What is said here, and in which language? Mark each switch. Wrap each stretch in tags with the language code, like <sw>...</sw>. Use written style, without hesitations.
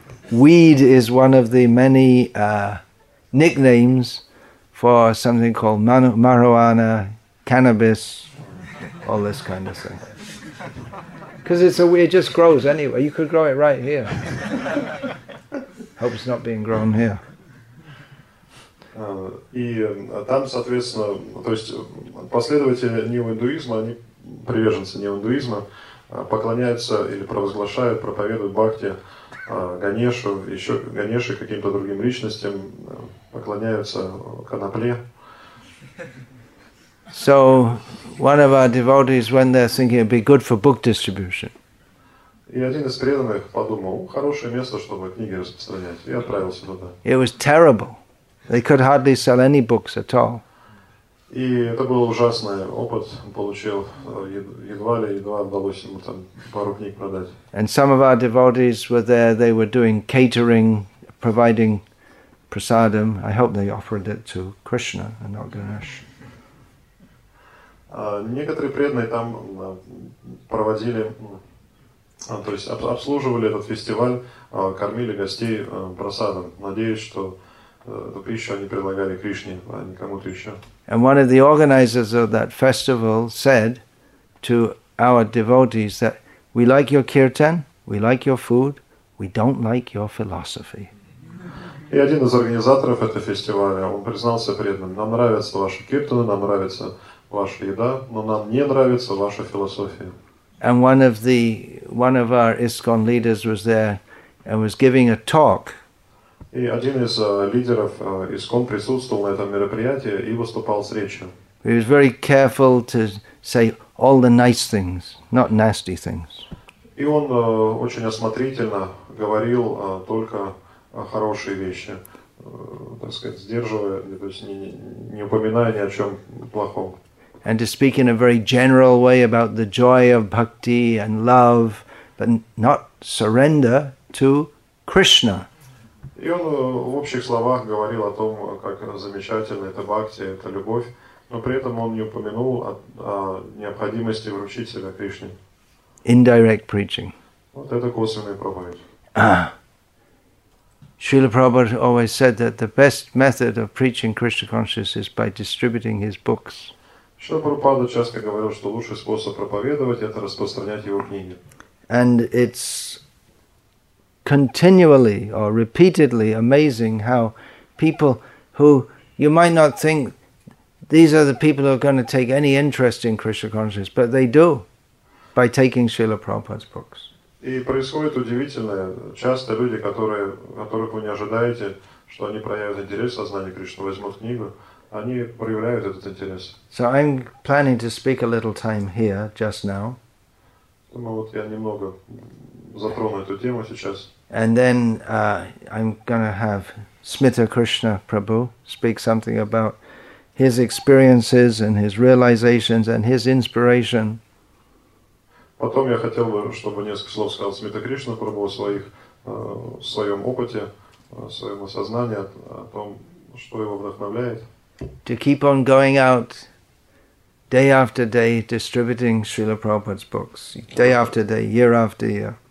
<en>Weed is one of the many nicknames for something called marijuana, cannabis, all this kind of thing. Because it just grows anyway. You could grow it right here. Hope it's not being grown here.</en> <ru>Там, соответственно, то есть последователи неоиндуизма, они приверженцы неоиндуизма, поклоняются или провозглашают, проповедуют бхакти Ганешу, еще Ганеше и каким-то другим личностям, поклоняются конопле.</ru> <en>So one of our devotees, when they're thinking it'd be good for book distribution.</en> <ru>И один из преданных подумал, хорошее место, чтобы книги распространять, и отправился туда.</ru> <en>It was terrible. They could hardly sell any books at all.</en> <ru>И это был ужасный опыт. Получил едва удалось ему там пару книг продать.</ru> <en>And some of our devotees were there. They were doing catering, providing prasadam. I hope they offered it to Krishna and not Ganesh.</en> <ru>Некоторые преданные там проводили, то есть обслуживали этот фестиваль, кормили гостей прасадом. Надеюсь, что эту пищу они предлагали Кришне, а не кому-то еще.</ru> <en>And one of the organizers of that festival said to our devotees that we like your kirtan, we like your food, we don't like your philosophy.</en> <ru>И один из организаторов этого фестиваля, он признался преданным: нам нравятся ваши киртаны, нам нравится ваша еда, но нам не нравится ваша философия.</ru> <en>And one of our ISKCON leaders was there and was giving a talk.</en> <ru>И один из лидеров ISKCON присутствовал на этом мероприятии и выступал с речью.</ru> <en>He was very careful to say all the nice things, not nasty things.</en> <ru>И он очень осмотрительно говорил только хорошие вещи, так сказать, сдерживая, то есть не упоминая ни о чем плохом.</ru> <en>And to speak in a very general way about the joy of bhakti and love, but not surrender to Krishna.</en> <ru>И он в общих словах говорил о том, как замечательно это бхакти, это любовь, но при этом он не упомянул о необходимости вручить себя Кришне.</ru> <en>Indirect preaching.</en> <ru>Вот это косвенная проповедь.</ru> <en>Srila Prabhupada always said that the best method of preaching Krishna consciousness is by distributing his books.</en> <ru>Srila Prabhupada часто говорил, что лучший способ проповедовать – это распространять его книги.</ru> <en>And it's continually or repeatedly amazing how people who you might not think these are the people who are going to take any interest in Krishna consciousness, but they do by taking Srila Prabhupada's books.</en> <ru>И происходит удивительное. Часто люди, которых вы не ожидаете, что они проявят интерес в сознании Кришны, возьмут книгу, они проявляют этот интерес.</ru> <en>So I'm planning to speak a little time here just now.</en> <ru>Ну вот я немного затрону эту тему сейчас.</ru> <en>And then I'm going to have Smita Krishna Prabhu speak something about his experiences and his realizations and his inspiration.</en> <ru>Потом я хотел бы, чтобы несколько слов сказал Смита Кришна Прабху о своем опыте, о своем осознании, о том, что его вдохновляет.</ru> <en>To keep on going out day after day, distributing Srila Prabhupada's books, day after day, year after year.</en>